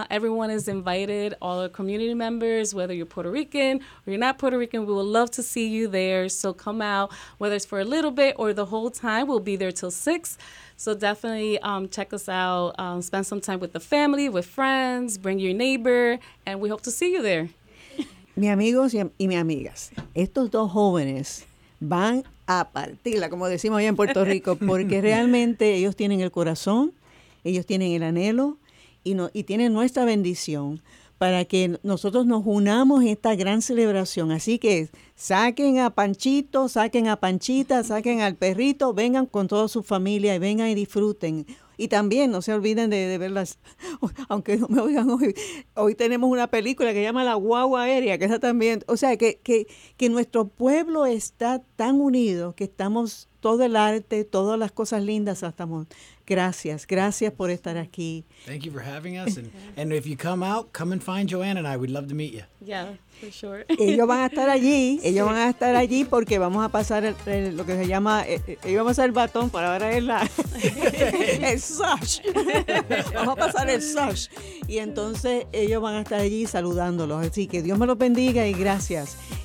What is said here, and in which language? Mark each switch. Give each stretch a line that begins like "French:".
English: Everyone is invited, all our community members, whether you're Puerto Rican or you're not Puerto Rican, we would love to see you there. So come out, whether it's for a little bit or the whole time, we'll be there till 6. So definitely check us out. Spend some time with the family, with friends, bring your neighbor, and we hope to see you there.
Spanish: Mi amigos y mi amigas, estos dos jóvenes van a partirla, como decimos allá en Puerto Rico, porque realmente ellos tienen el corazón, ellos tienen el anhelo y tienen nuestra bendición para que nosotros nos unamos en esta gran celebración. Así que saquen a Panchito, saquen a Panchita, saquen al perrito, vengan con toda su familia y vengan y disfruten. Y también no se olviden de verlas, aunque no me oigan hoy, hoy tenemos una película que se llama La Guagua Aérea, que está también, o sea, que nuestro pueblo está tan unido que estamos, todo el arte, todas las cosas lindas, estamos. Gracias, gracias por estar aquí.
English: Thank you for having us. And if you come out, come and find Joanne and I. We'd love to meet you. Yeah, for sure.
Spanish: Ellos van a estar allí. Ellos van a estar allí porque vamos a pasar el, lo que se llama, ellos vamos a hacer el batón para ver el sash. Vamos a pasar el sash. Y entonces ellos van a estar allí saludándolos. Así que Dios me los bendiga y gracias.